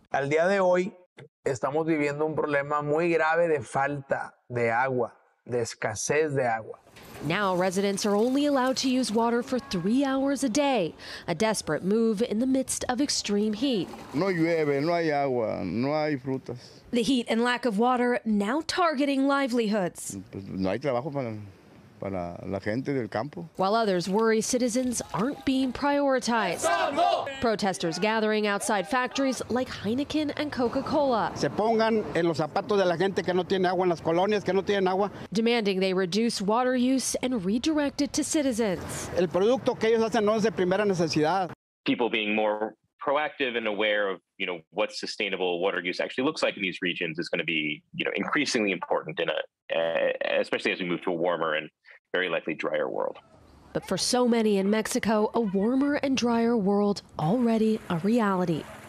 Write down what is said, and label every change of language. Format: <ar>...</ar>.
<es>Al día de hoy, estamos viviendo un problema muy grave de falta de agua, de escasez de agua.</es> <en>Now, residents are only allowed to use water for 3 hours a day, a desperate move in the midst of extreme heat.</en> <es>No llueve, no hay agua, no hay frutas.</es> <en>The heat and lack of water now targeting livelihoods.</en> <es>No hay trabajo para la gente del campo.</es> <en>While others worry citizens aren't being prioritized. No! Protesters gathering outside factories like Heineken and Coca-Cola.</en> <es>Se pongan en los zapatos de la gente que no tiene agua en las colonias, que no tienen agua.</es> <en>Demanding they reduce water use and redirect it to citizens.</en> <es>El producto que ellos hacen no es de primera necesidad.</es> <en>People being more proactive and aware of, you know, what sustainable water use actually looks like in these regions is going to be, you know, increasingly important in a especially as we move to a warmer and very likely drier world. But for so many in Mexico, a warmer and drier world already a reality.</en>